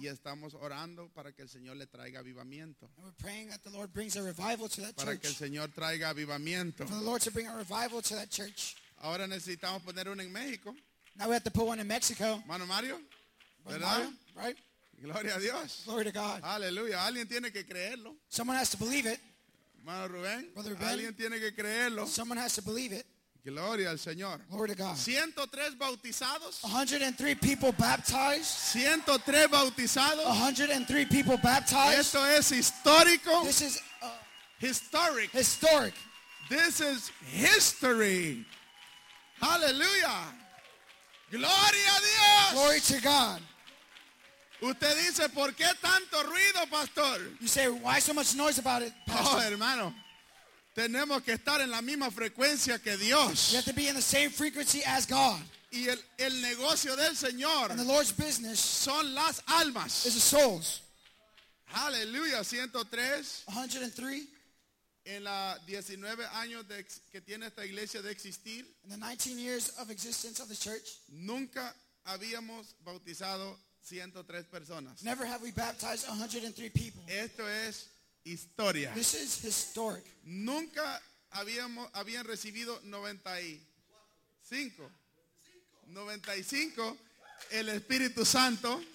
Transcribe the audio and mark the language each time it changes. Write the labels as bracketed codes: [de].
[es] Y estamos orando para que el Señor le traiga avivamiento. [en] And we're praying that the Lord brings a revival to that church. [es] Para que el Señor traiga avivamiento. [en] For the Lord to bring a revival to that church. [es] Ahora necesitamos poner uno en México. [en] Now we have to put one in Mexico. [es] Mano Mario. ¿Verdad? Mario, right? Gloria a Dios. [en] Glory to God. [es] Aleluya. Alguien tiene que creerlo. [en] Someone has to believe it. [es] Mano Rubén. [en] Brother Ben. [es] Alguien tiene que creerlo. [en] Someone has to believe it. [es] Gloria al Señor. [en] Glory to God. [es] 103 bautizados. [en] 103 people baptized. [es] 103 bautizados. [en] 103 people baptized. [es] Esto es histórico. [en] This is historic. Historic. This is history. Hallelujah. [es] Gloria a Dios. [en] Glory to God. [es] Usted dice, ¿por qué tanto ruido, pastor? [en] You say, why so much noise about it, pastor? [es] Oh, hermano. Tenemos que estar en la misma frecuencia que Dios. [en] You have to be in the same frequency as God. [es] Y el negocio del Señor. [en] And the Lord's business. [es] Son las almas. [en] Is the souls. Hallelujah. 103. 103. [es] En la 19 años de que tiene esta iglesia de existir. [en] In the 19 years of existence of the church. [es] Nunca habíamos bautizado 103 personas. [en] Never have we baptized 103 people. [es] Esto es historia. [en] This is historic. [es] Nunca habían recibido 95 el Espíritu Santo.